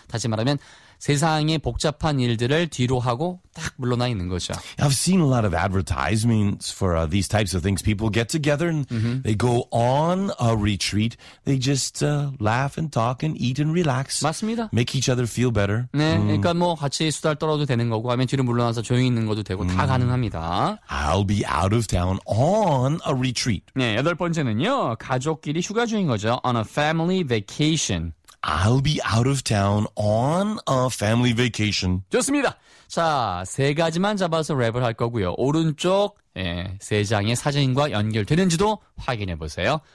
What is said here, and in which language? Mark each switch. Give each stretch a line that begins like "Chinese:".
Korean: 다시 말하면 세상의 복잡한 일들을 뒤로 하고 딱 물러나 있는 거죠.
English: I've seen a lot of advertisements for these types of things. People get together and they go on a retreat. They just laugh and talk and eat and relax.
Korean: 맞습니다.
English: Make each other feel better.
Korean: 네, 그러니까 뭐 같이 수다 떨어도 되는 거고 아니면 뒤로 물러나서 조용히 있는 것도 되고 다 가능합니다.
English: I'll be out of town on a retreat.
Korean: 네, 여덟 번째는요. 가족끼리 휴가 중인 거죠.
English: On a family vacation. I'll be out of town on a family vacation.
Korean: 좋습니다. 자, 세 가지만 잡아서 랩을 할 거고요. 오른쪽 세 장의 사진과 연결되는지도 확인해 보세요.